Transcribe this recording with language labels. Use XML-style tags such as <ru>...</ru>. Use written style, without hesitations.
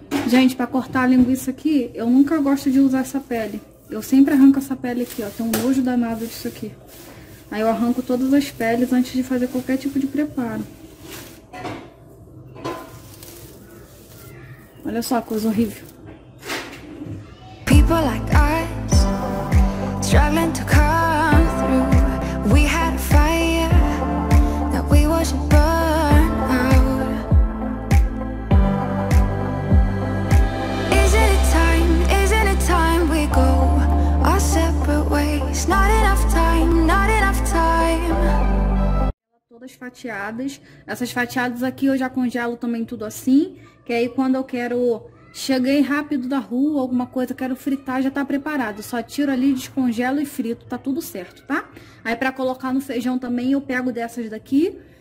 <pt>Gente, pra cortar a linguiça aqui, eu nunca gosto de usar essa pele. Eu sempre arranco essa pele aqui, ó. Tem um nojo danado disso aqui. Aí eu arranco todas as peles antes de fazer qualquer tipo de preparo. Olha só a coisa horrível.</pt> <en>People like us, struggling to come through. We had a fire that we watched burn out. Isn't it time we go our separate ways? Not enough time, not enough time.</en> <pt>Todas fatiadas. Essas fatiadas aqui eu já congelo também tudo assim. Que aí quando eu quero, cheguei rápido da rua, alguma coisa, quero fritar, já tá preparado. Só tiro ali, descongelo e frito, tá tudo certo, tá? Aí pra colocar no feijão também eu pego dessas daqui.</pt>